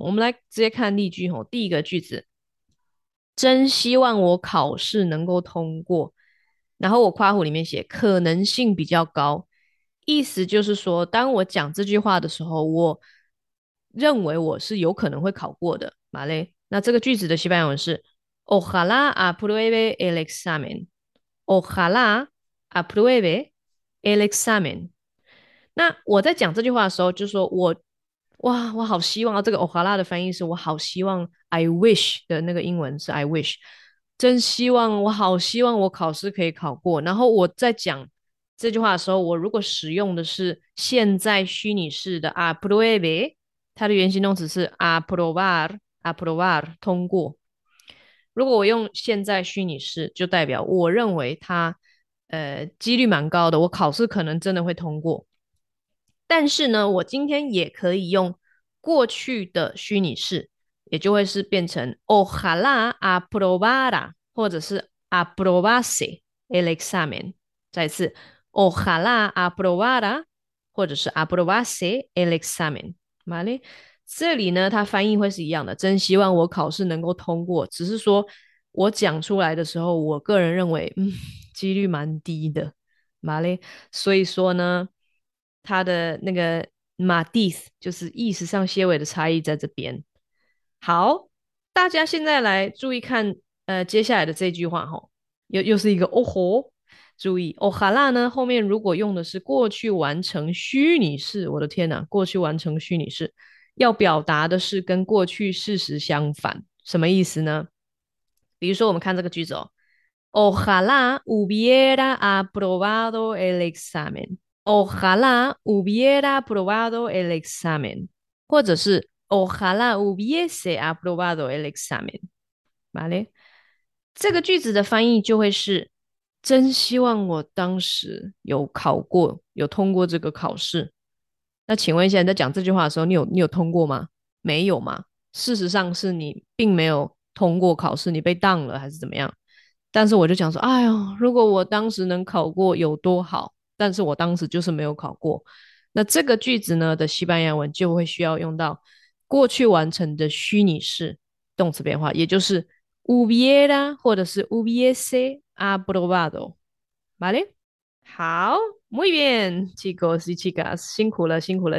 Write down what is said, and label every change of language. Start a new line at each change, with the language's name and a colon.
Chinese: 我们来直接看例句吼，第一个句子，真希望我考试能够通过，然后我括弧里面写可能性比较高，意思就是说，当我讲这句话的时候，我。认为我是有可能会考过的，马嘞。那这个句子的西班牙文是
Spanish: Ojalá apruebe el examen. Ojalá apruebe el examen.
Chinese: 那我在讲这句话的时候，就说我哇，我好希望啊！这个 Ojalá 的翻译是我好希望
English: I wish
Chinese: 的那个英文是 I wish，真希望我好希望我考试可以考过。然后我在讲这句话的时候，我如果使用的是现在虚拟式的 apruebe。它的原形动词是 aprobar，通过。如果我用现在虚拟式，就代表我认为它几率蛮高的，我考试可能真的会通过。但是呢，我今天也可以用过去的虚拟式，也就会是变成
Spanish: ojalá aprobara
Chinese: 或者是
Spanish: aprobase el examen。
Chinese: 再一次
Spanish: ojalá aprobara
Chinese: 或者是
Spanish: aprobase el examen。 vale？
Chinese: 这里呢，它翻译会是一样的，真希望我考试能够通过。只是说我讲出来的时候，我个人认为，几率蛮低的。
Spanish: vale？
Chinese: 所以说呢，它的那个 matiz 就是意思上些微的差异在这边。好，大家现在来注意看，接下来的这句话吼，又是一个哦吼，注意 ojalá 呢后面如果用的是过去完成虚拟式，我的天哪，过去完成虚拟式要表达的是跟过去事实相反，什么意思呢？比如说我们看这个句子哦，
Spanish: ojalá hubiera aprobado el examen。 Ojalá hubiera aprobado el examen，或者是 Ojalá hubiese aprobado el examen，vale？
Chinese: 这个句子的翻译就会是：真希望我当时有考过，有通过这个考试。那请问一下，你在讲这句话的时候，你有通过吗？没有吗？事实上是你并没有通过考试，你被 down 了还是怎么样？但是我就讲说，哎呦，如果我当时能考过有多好。但是我当时就是没有考过。那这个句子呢的西班牙文就会需要用到过去完成的虚拟式动词变化，也就是 hubiera 或者是
Spanish: hubiese aprobado。 Vale？
Chinese: 好，
Spanish: muy bien, chicos y chicas，
Chinese: 辛苦了，辛苦了。